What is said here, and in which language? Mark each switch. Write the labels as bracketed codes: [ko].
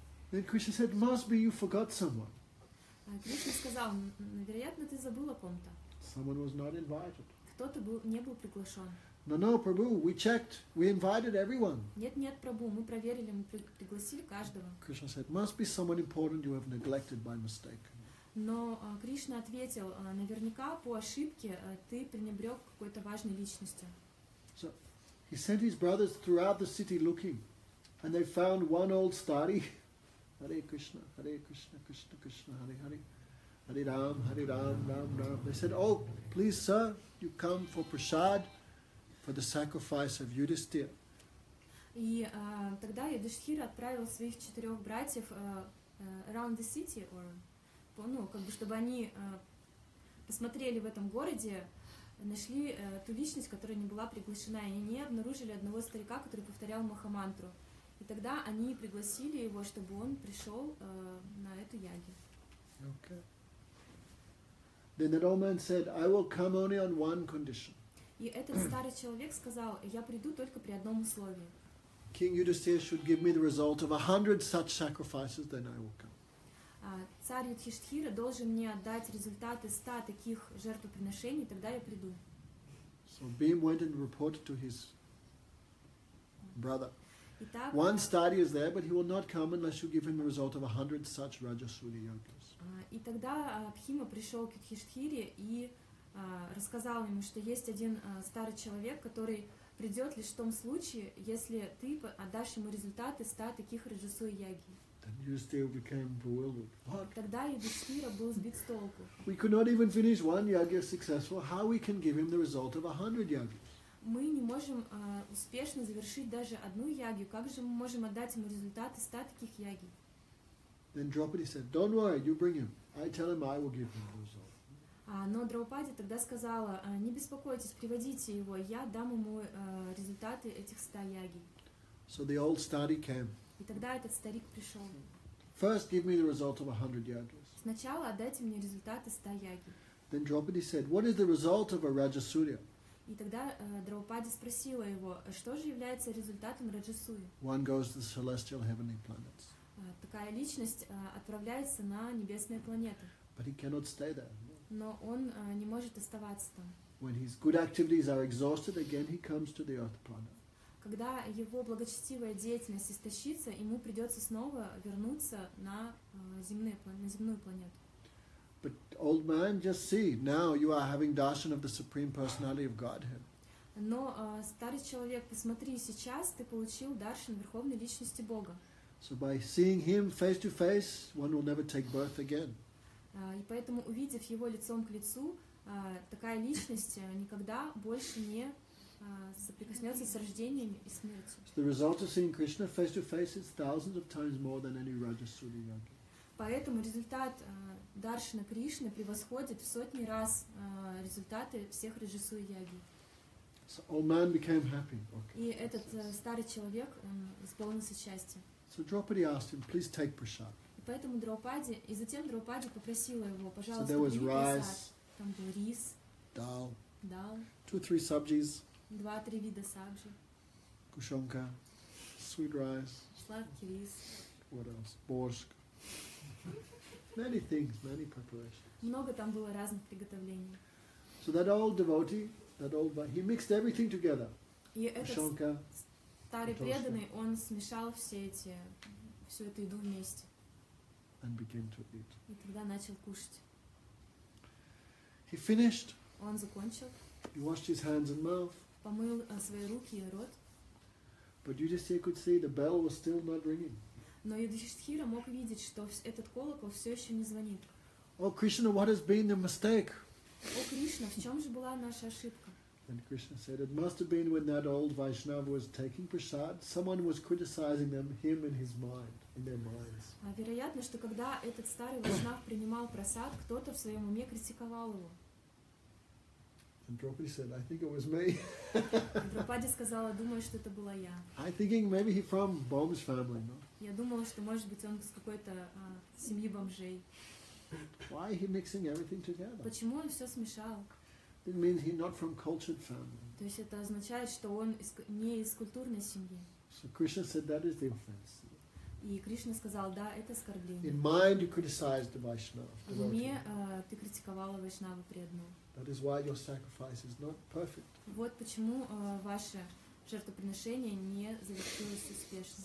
[en] Then Krishna said, must be you forgot someone. [ru] Кришна сказал, вероятно, ты забыл о ком-то. [en] Someone was not invited. [ru] Кто-то был, не был приглашен. [en] No, no, Prabhu, we checked, we invited everyone. [ru] Нет, нет, Прабу, мы проверили, мы пригласили каждого. [en] Krishna said, must be someone important you have neglected by mistake. [ru] Но Кришна ответил, наверняка по ошибке ты пренебрег какой-то важной личностью. [en] So, he sent his brothers throughout the city looking, and they found one old study. [sa] Hare Krishna, Krishna Krishna, Hare Hare, Hare Ram, Ram Ram. [en] They said, oh, please, sir, you come for prasad, for the sacrifice of Yudhishthira. [ru] И тогда Юдхиштхира отправил своих четырех братьев [en] around the city, or, [ru] ну, как бы, чтобы они посмотрели в этом городе, нашли ту личность, которая не была приглашена, и они обнаружили одного старика, который повторял Махамантру. И тогда они пригласили его, чтобы он пришел на эту яги. [en] Okay. Then that old man said, I will come only on one condition. [ru] И этот старый человек сказал, я приду только при одном условии. [en] King Yudhishthira should give me the result of 100 such sacrifices, then I will come. [ru] Царь Юдхиштхира должен мне отдать результаты 100 таких жертвоприношений, тогда я приду. [en] So Bhim went and reported to his brother. [ru] Итак, [en] one study is there, but he will not come unless you give him the result of 100 such Rajasuri yogas. [ru] И тогда Бхима пришел к Юдхиштхире и рассказал ему, что есть один старый человек, который придет лишь в том случае, если ты отдашь ему результаты 100 таких раджасуи яги. Тогда Юдхиштхира был сбит с толку. [en] We could not even finish one yagya successful. How we can give him the result of 100 yagyas? [ru] Мы не можем успешно завершить даже одну ягью. Как же мы можем отдать ему результаты 100 таких яги? [en] Then Draupadi said, "Don't worry, you bring him. I tell him I will give him the result." [ru] Но Драупади тогда сказала, не беспокойтесь, приводите его, я дам ему результаты этих 100 яги. [en] So the old study came. [ru] И тогда этот старик пришел. [en] First give me the result of 100 yagyas. [ru] Сначала отдайте мне результаты 100 яги. [en] Then Draupadi said, what is the result of a Rajasuri? [ru] И тогда Драупади спросила его, что же является результатом Раджасуи? [en] One goes to the celestial heavenly planets. [ru] Такая личность отправляется на небесные планеты. [en] But he cannot stay there. [ru] Но он не может оставаться там. [en] When his good activities are exhausted, again he comes to the earth planet. [ru] Когда его благочестивая деятельность истощится, ему придется снова вернуться на земные, на земную планету. [en] But old man, just see, now you are having darshan of the Supreme Personality of Godhead. [ru] Но старый человек, посмотри, сейчас ты получил даршан Верховной Личности Бога. [en] So by seeing him face to face, one will never take birth again. [ru] И поэтому, увидев его лицом к лицу, такая личность никогда больше не соприкоснется с рождением и смертью. [en] So the result of seeing Krishna face to face is thousands of times more than any Rajasuri yogi. [ru] Поэтому результат даршана Кришны превосходит в сотни раз результаты всех Раджасуи яги. [en] So old man became happy. Okay. [ru] И этот старый человек исполнился счастья. [en] So Draupadi asked him, please take prasad. [ru] Поэтому Драупади, и затем Драупади попросила его, пожалуйста, [en] so [ru] прими [en] rice, [ru] прасад. Там был рис, дал, дал, 2-3 сабджис, 2-3 вида сабджи, кушонка, [en] sweet rice, [ru] сладкий рис, [en] what else, борщ, many things, many preparations. [ru] Много там было разных приготовлений. [en] So that old devotee, that old he mixed everything together. [ru] И Ашанка, старый преданный, он смешал все эти, всю эту еду вместе. [en] And began to eat. [ru] И тогда начал кушать. [en] He finished. [ru] Он закончил. [en] He washed his hands and mouth. [ru] Помыл свои руки и рот. [en] But Yudhishthira could see the bell was still not ringing. [ru] Но Юдхиштхира мог видеть, что этот колокол все еще не звонит. [en] Oh, Krishna, what has been the mistake? Oh, [ru] Krishna, в чем же была наша ошибка? [en] And Krishna said, it must have been when that old Vaishnava was taking prasad, someone was criticizing them, him and his mind, in their minds. [ru] Вероятно, что когда этот старый Вайшнав принимал прасад, кто-то в своем уме критиковал его. [en] And Draupadi said, I think it was me. [ru] Draupadi сказала, думаю, что это была я. [en] I'm thinking maybe he's from Bom's family, no? [ru] Я думала, что может быть он из какой-то семьи бомжей. [en] Why he mixing everything together? [ru] Почему он все смешал? [en] It means he's not from cultured family. [ru] То есть это означает, что он не из культурной семьи. [en] So Krishna said that is the offense. [ru] И Кришна сказал, да, это оскорбление. [en] In mind you criticize the Vaishnava. [ru] В уме ты критиковала Вайшнава преданного. [en] That is why your sacrifice is not perfect. [ru] Вот почему ваше жертвоприношение не завершилось успешно.